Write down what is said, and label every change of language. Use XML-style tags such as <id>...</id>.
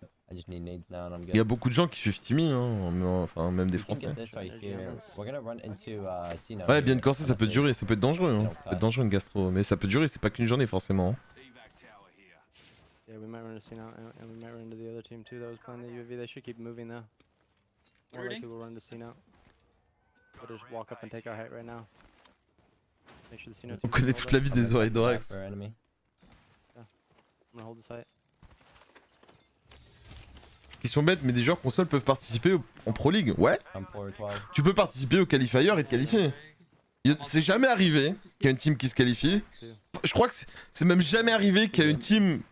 <fr>Il y a beaucoup de gens qui suivent Timmy, hein, enfin même des Français. Ouais, bien de corset ça peut durer, ça peut être dangereux, hein. Ça peut être dangereux une gastro, mais ça peut durer, c'est pas qu'une journée forcément.</fr> <en>We might run into C9 and we might run into the other team too that was playing the UAV. They should keep moving though. More likely we'll run to C9. We'll just walk up and take our height right now. Make sure the C9 team.</en> <fr>On connaît toute la vie des oreilles d'Orex.</fr> <en>Yeah, I'm gonna hold this height.</en> <fr>Question bête, mais des joueurs console peuvent participer en Pro League? Ouais? Tu peux participer au qualifier et te qualifier. C'est jamais arrivé qu'il y ait une team qui se qualifie. Je crois que c'est même jamais arrivé qu'il y ait une team.</fr>